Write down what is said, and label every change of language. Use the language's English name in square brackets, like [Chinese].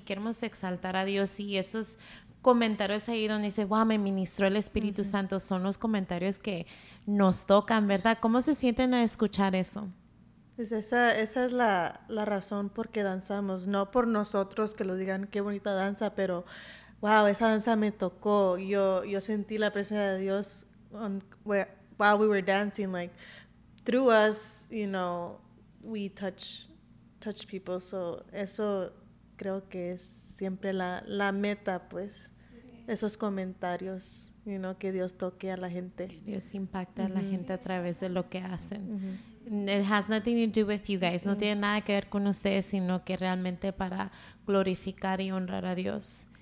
[Spanish] Queremos exaltar a Dios. Y esos comentarios ahí donde dice, wow, me ministró el Espíritu uh-huh. Santo, son los comentarios que nos tocan, ¿verdad? ¿Cómo se sienten al escuchar eso? Pues esa es la razón por qué danzamos. No por nosotros que lo digan, qué bonita danza, pero wow, esa danza me tocó. Yo sentí la presencia de Dios [English] while we were dancing, like through us, you know, we touch people. [Spanish] So eso creo que es siempre la meta, pues, esos comentarios, [English] you know, [Spanish] que Dios toque a la gente. Dios impacta mm-hmm. a la gente a través de lo que hacen. Mm-hmm. [English] It has nothing to do with you guys. [Spanish] No mm-hmm. tiene nada que ver con ustedes, sino que realmente para glorificar y honrar a Dios.